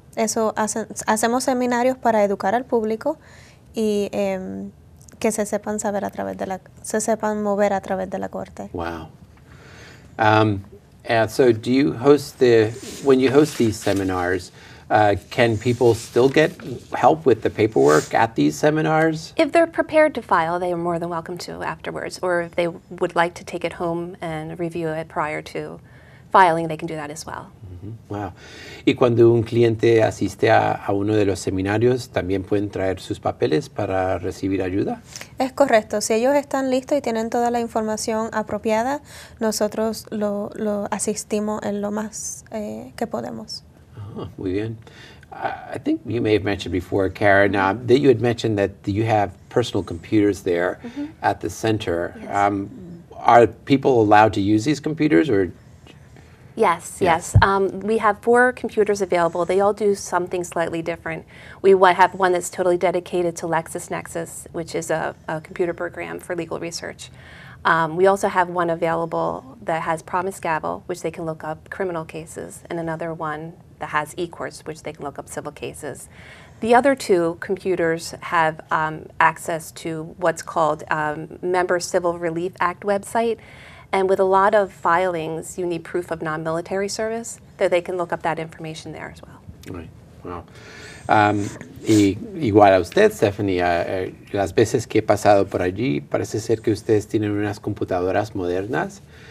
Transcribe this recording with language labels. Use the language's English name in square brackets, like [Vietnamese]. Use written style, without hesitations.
[Spanish] Eso hacemos seminarios para educar al público y que se sepan saber a través de la, se sepan mover a través de la corte. [English] Wow. And so do you host the, when you host these seminars, can people still get help with the paperwork at these seminars? If they're prepared to file, they are more than welcome to afterwards. Or if they would like to take it home and review it prior to filing, they can do that as well. Wow. [Spanish] ¿Y cuando un cliente asiste a uno de los seminarios, también pueden traer sus papeles para recibir ayuda? Es correcto. Si ellos están listos y tienen toda la información apropiada, nosotros lo asistimos en lo más que podemos. Oh, muy bien. [English] I think you may have mentioned before, Karen, that you had mentioned that you have personal computers there mm-hmm. at the center. Yes. Are people allowed to use these computers or... Yes. We have four computers available. They all do something slightly different. We have one that's totally dedicated to LexisNexis, which is a computer program for legal research. We also have one available that has Promise Gavel, which they can look up criminal cases, and another one that has eCourts, which they can look up civil cases. The other two computers have access to what's called Member Civil Relief Act website. And with a lot of filings, you need proof of non-military service, so they can look up that information there as well. Right. Wow. [Spanish] Igual a usted, Stephanie, las veces que he pasado por allí, parece ser que ustedes tienen unas computadoras modernas.